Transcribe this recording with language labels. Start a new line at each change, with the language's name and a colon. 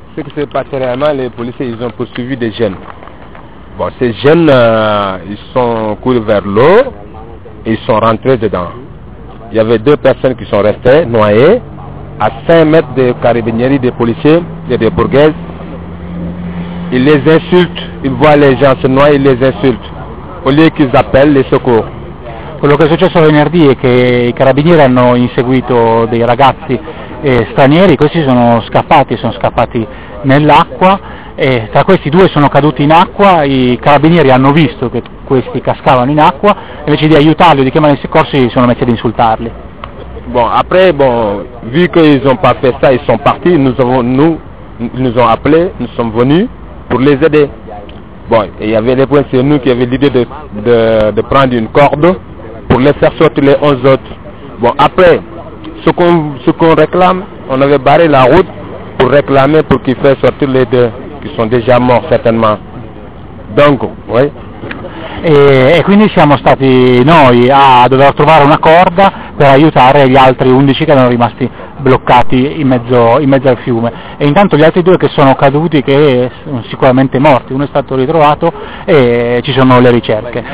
French: Ce qui s'est passé réellement, les policiers, ils ont poursuivi des jeunes. Bon, ces jeunes, ils sont courus vers l'eau et ils sont rentrés dedans. Il y avait 2 personnes qui sont restées noyées à 5 mètres des carabiniers, des policiers et des bourgaises. Ils les insultent, ils voient les gens se noyer, ils les insultent. Au lieu qu'ils appellent les secours.
Italian: Quello che è successo venerdì è che i carabinieri hanno inseguito dei ragazzi stranieri, questi sono scappati nell'acqua. E tra questi 2 sono caduti in acqua, i carabinieri hanno visto che questi cascavano in acqua, invece di aiutarli o di chiamare i soccorsi si sono messi ad insultarli.
French: Vu che ils ont pas fait ça, ils sont partis, nous sommes venus pour les aider. Il y avait des points, c'est nous qui avions l'idée de prendre une corde pour les faire sortir les 11 autres. Ce qu'on réclame, on avait barré la route pour réclamer pour qu'ils fassent sortir les 2. Qui sont déjà morts certainement. Donc, oui.
Italian: E quindi siamo stati noi a dover trovare una corda per aiutare gli altri 11 che erano rimasti bloccati in mezzo al fiume. E intanto gli altri 2 che sono caduti, che sono sicuramente morti, uno è stato ritrovato e ci sono le ricerche.